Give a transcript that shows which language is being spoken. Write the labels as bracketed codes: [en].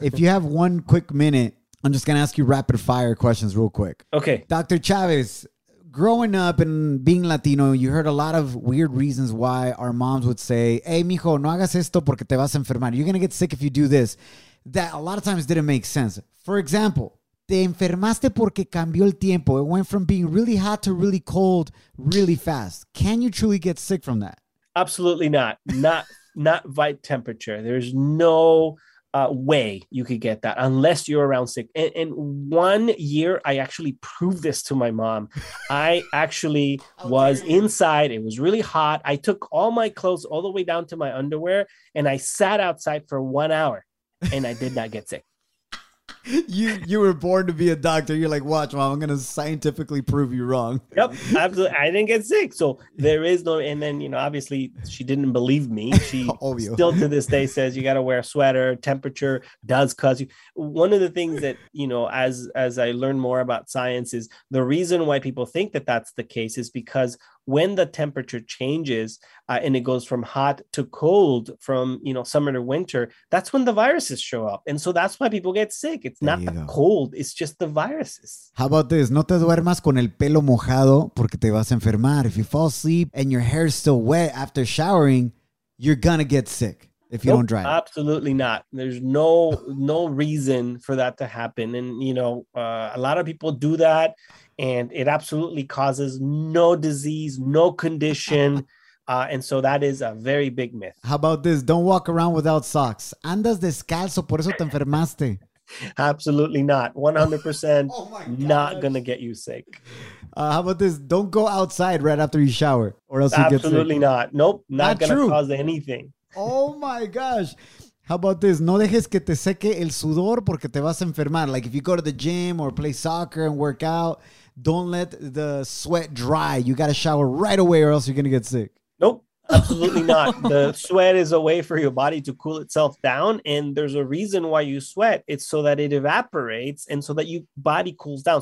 [en] If you have one quick minute, I'm just going to ask you rapid fire questions real quick. Okay. Dr. Chavez, growing up and being Latino, you heard a lot of weird reasons why our moms would say, hey, [es] mijo, no hagas esto porque te vas a enfermar. [en] You're going to get sick if you do this. That a lot of times didn't make sense. For example, [es] te enfermaste porque cambió el tiempo. [en] It went from being really hot to really cold really fast. Can you truly get sick from that? Absolutely not. Not vital temperature. There's no way you could get that unless you're around sick. And 1 year, I actually proved this to my mom. I actually was inside. It was really hot. I took all my clothes all the way down to my underwear and I sat outside for 1 hour and I did not get sick. You were born to be a doctor. You're like, watch, mom, I'm going to scientifically prove you wrong. Yep, absolutely. I didn't get sick. So there is no, and then, you know, obviously she didn't believe me. She still to this day says you got to wear a sweater. Temperature does cause you. One of the things that, you know, as I learn more about science is the reason why people think that that's the case is because when the temperature changes and it goes from hot to cold from, you know, summer to winter, that's when the viruses show up. And so that's why people get sick. It's not the cold. It's just the viruses. How about this? [es] No te duermas con el pelo mojado porque te vas a enfermar. [en] If you fall asleep and your hair is still wet after showering, you're going to get sick if you don't dry it. Absolutely not. There's no reason for that to happen. And, you know, a lot of people do that. And it absolutely causes no disease, no condition. And so that is a very big myth. How about this? Don't walk around without socks. [es] Andas descalzo, por eso te enfermaste. [en] Absolutely not. 100% not going to get you sick. How about this? Don't go outside right after you shower or else absolutely you get sick. Absolutely not. Nope. Not going to cause anything. Oh my gosh. How about this? [es] No dejes que te seque el sudor porque te vas a enfermar. [en] Like if you go to the gym or play soccer and work out, don't let the sweat dry. You got to shower right away or else you're going to get sick. Nope, absolutely not. The sweat is a way for your body to cool itself down. And there's a reason why you sweat. It's so that it evaporates and so that your body cools down.